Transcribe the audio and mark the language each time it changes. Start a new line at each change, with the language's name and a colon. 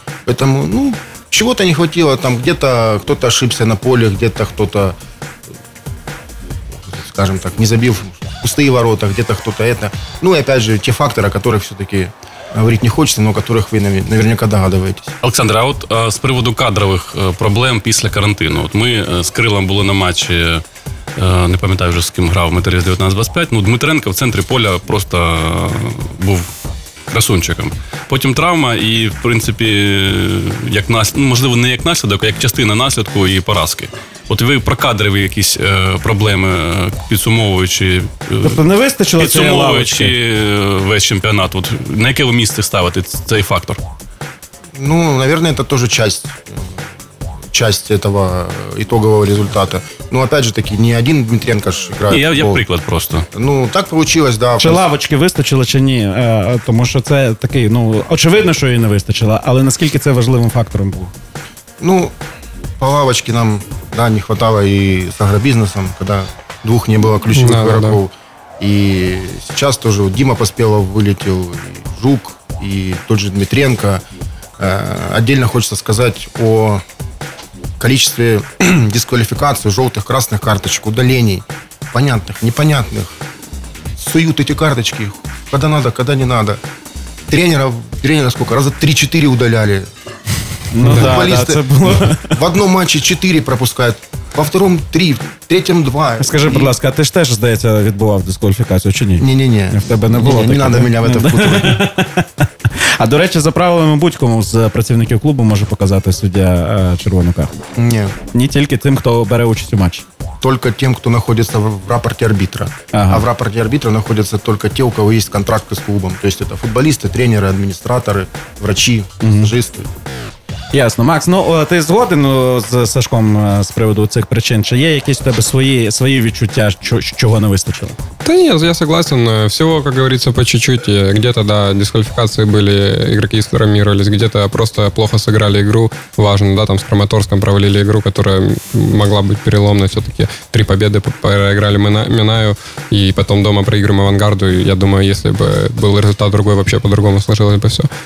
Russian: Поэтому, ну, чего-то не хватило. Там где-то кто-то ошибся на поле, где-то кто-то, скажем так, не забил пустые ворота, где-то кто-то это. Ну и опять же, те факторы, о которых все-таки говорить не хочется, но о которых вы наверняка догадываетесь.
Ukrainian: Олександр, а от з приводу кадрових проблем після карантину. От ми з Крилом були на матчі не пам'ятаю вже, з ким грав Металіст 1925. Ну, Дмитренко в центрі поля просто був красунчиком. Потім травма і, в принципі, як наслідок, можливо, не як наслідок, а як частина наслідку і поразки. От ви про кадрові якісь проблеми підсумовуючи. Тобто не вистачило цієї лавочки? Підсумовуючи весь чемпіонат. От, на яке ви місце ставите цей фактор?
Russian: Ну, наверное, это тоже часть этого итогового результата. Ну, опять же таки, не один Дмитренко ж играет.
Ukrainian: Я приклад просто.
Russian: Ну, так получилось, да.
Ukrainian: Чи лавочки вистачило, чи ні? Тому що це такий, ну, очевидно, що її не вистачило. Але наскільки це важливим фактором було?
Russian: Ну, по лавочке нам, да, не хватало
Ukrainian: і з агробізнесом, коли двох не було ключових игроков. І зараз теж Діма Поспєлов вилетів, і Жук, і
Russian: тот же
Ukrainian: Дмитренко.
Russian: Отдельно хочется сказать о количестве дисквалификаций, желтых, красных карточек, удалений, понятных, непонятных. Суют эти карточки, когда надо, когда не надо. Тренера сколько? Раза 3-4 удаляли. Ну, футболисты, да, было... в одном матче 4 пропускают, во втором 3, в третьем 2.
Ukrainian: Скажи, пожалуйста, а ты же теж, здається, відбував дисквалификацию, чи ні? Не-не-не. В тебе не було.
Russian: Не надо меня в это впутывать.
Ukrainian: А, до речі, за правилами будь-кому з працівників клубу може показати суддя червону карту? Ні. Не тільки тим, хто бере участь у матчі? Тільки тим, хто знаходиться в рапорті арбітра. Ага. А в рапорті арбітра знаходяться тільки ті, у кого є контракт з клубом. Тобто це футболісти, тренери, адміністратори, врачі, стажисти. Ясно. Макс, ну ти згоден з Сашком з приводу цих причин? Чи є якісь у тебе свої відчуття, чого не вистачило? Та ні, я согласен. Всього, як говориться,
Russian: по чуть-чуть. Где-то, да,
Ukrainian: дисквалифікації були,
Russian: игроки сформировались, где-то просто плохо сыграли игру, важно, да, там с Краматорском провалили игру, которая могла быть переломной, все-таки 3 победы проиграли Минаю, и потом дома проиграем Авангарду, и я думаю, если бы был результат другой, вообще по-другому сложилось бы все.